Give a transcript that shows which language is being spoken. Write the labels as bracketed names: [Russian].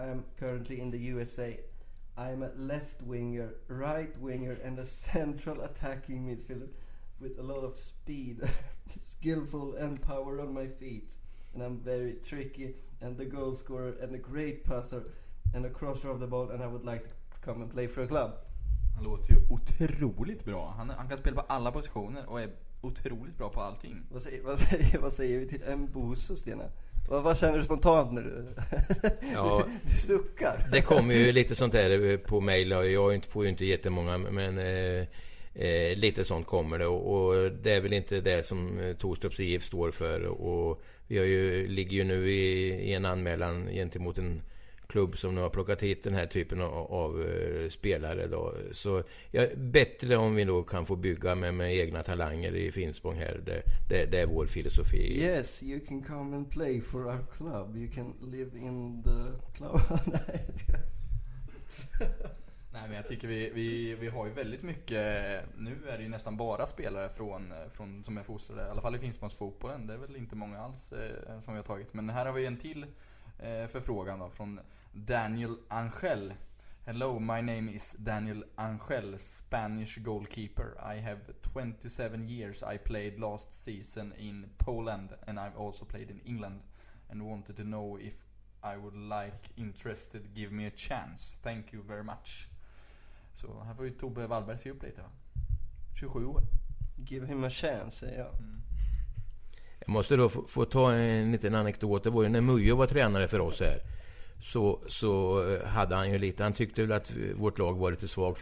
[English] I am currently in the USA. I am a left winger, right winger and a central attacking midfielder with a lot of speed, skillful and power on my feet. And I'm very tricky and the goal scorer and a great passer and a crosser of the ball, and I would like to come and play for a club. [Swedish] Han låter ju otroligt bra. Han kan spela på alla positioner och är otroligt bra på allting. Vad säger vi till Mbuso, Stena? Vad känner du spontant när du, ja, du suckar? Det kommer ju lite sånt där på mejl. Jag får ju inte jättemånga, men lite sånt kommer det. Och det är väl inte det som Torstorps IF står för. Och vi har ju, ligger ju nu i en anmälan gentemot en klubb som nu har plockat hit den här typen av spelare då. Så ja, bättre om vi då kan få bygga med egna talanger i Finspång här. Det är vår filosofi. [English] Yes, you can come and play for our club. You can live in the club. [Swedish] Nej, men jag tycker vi har ju väldigt mycket. Nu är det ju nästan bara spelare från som är fostrade, i alla fall i Finspångs fotbollen. Det är väl inte många alls som vi har tagit. Men här har vi en till förfrågan då, från Daniel Angel. [English] Hello, my name is Daniel Angel, Spanish goalkeeper. I have 27 years. I played last season in Poland and I've also played in England and wanted to know if I would like interested, give me a chance. Thank you very much. [Swedish] Så här får ju Tobbe Wallberg se upp lite, va? 27 år. [English] Give him a chance, [Swedish] säger jag. Jag måste då få ta en liten anekdot. Det var ju när Mujo var tränare för oss här. Så hade han ju lite. Han tyckte väl att vårt lag var lite svagt.